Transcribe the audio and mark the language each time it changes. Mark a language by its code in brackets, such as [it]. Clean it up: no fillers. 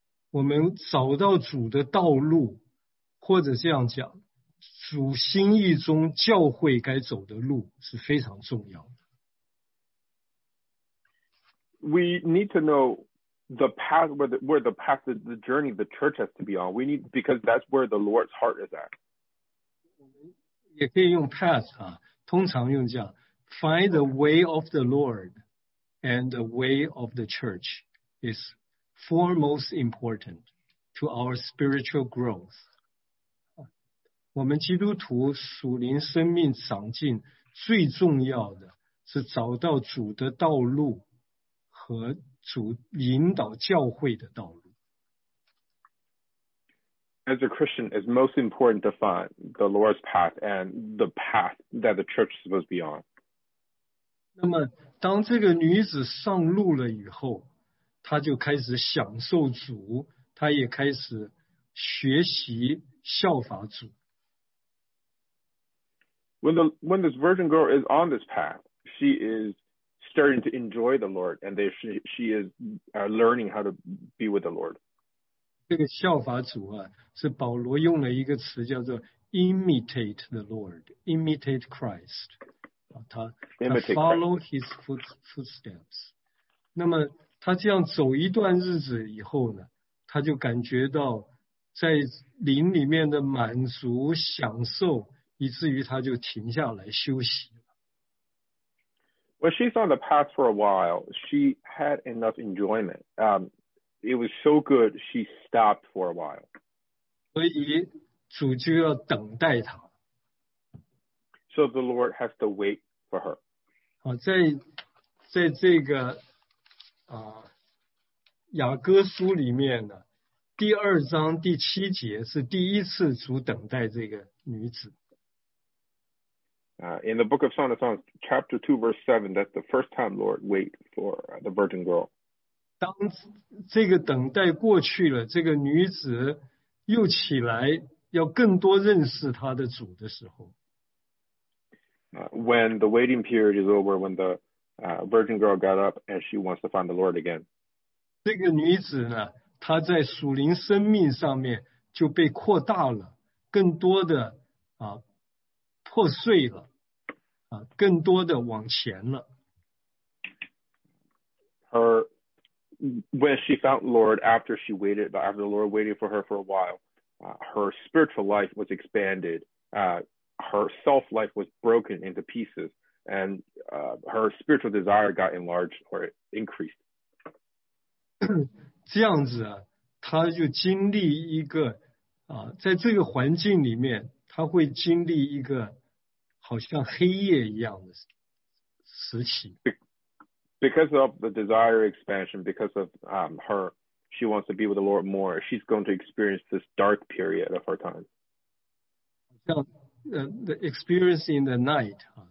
[zh] 我们找到主的道路，或者这样讲，主心意中教会该走的路是非常重要的。 [en] We need to know the path, where the path is, the journey the church has to be on. We need, because that's where the Lord's heart is at. [zh] 也可以用 path 啊，通常用这样 [en] find the way of the Lord and the way of the church is foremost important to our spiritual growth. [zh] 我们基督徒属灵生命长进最重要的是找到主的道路和主引导教会的道路。 [en] As a Christian, it's most important to find the Lord's path and the path that the church is supposed to be on. [zh] 那么当这个女子上路了以后，她就开始享受主，她也开始学习效法主。 [en] When this virgin girl is on this path, she is starting to enjoy the Lord, and she is learning how to be with the Lord. [zh] 这个效法主啊，是保罗用了一个词叫做 [en] imitate the Lord, imitate Christ. [zh] 他 [en] follow his footsteps. [zh] 那么他这样走一段日子以后呢，他就感觉到在灵里面的满足享受，以至于他就停下来休息了。 [en] When she's on the path for a while, she had enough enjoyment. It was so good, she stopped for a while. [zh] 所以主就要等待她。 [en] So the Lord has to wait for her. [zh] 在这个雅各书里面呢，第二章第七节是第一次主等待这个女子。 [en] In the book of Song of Songs, chapter 2, verse 7, that's the first time Lord wait for the virgin girl. [zh] 当这个等待过去了，这个女子又起来要更多认识她的主的时候。 [en] When the waiting period is over, when the virgin girl got up and she wants to find the Lord again. [zh] 这个女子呢，他在属灵生命上面就被扩大了，更多的啊破碎了，啊更多的往前了。 [en] Her when she found Lord after she waited, but after the Lord waited for her for a while, her spiritual life was expanded. Her self life was broken into pieces, and her spiritual desire got enlarged or increased. [zh] 这样子啊，他就经历一个啊，在这个环境里面，他会经历一个好像黑夜一样的时期。 [en] Because of the desire expansion, because of her, she wants to be with the Lord more. She's going to experience this dark period of her time. The experience in the night.